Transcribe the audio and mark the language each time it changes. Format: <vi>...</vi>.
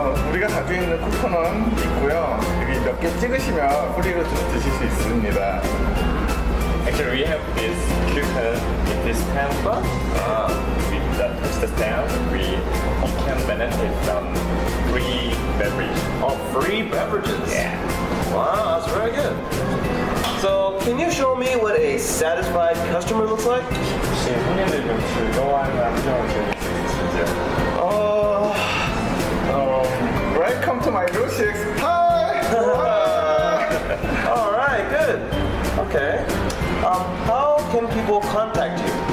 <ko>우리가 가지고 있는 쿠폰은 있고요. 그리고 몇 개 찍으시면 후리로 좀 드실 수 있습니다.</ko> <en>Actually, we have this coupon in this temple. With the touch the stamp, we can benefit from free beverage. Oh, free beverages? Yeah. Wow, that's very good. So, can you show me what a satisfied customer looks like?</en> <ko>혹시 손님들 좀 즐거워하는 감정을 드릴 수 있으시죠?</ko> <en>Welcome to my Rue 6. Hi! Alright, good. Okay. How can people contact you?</en>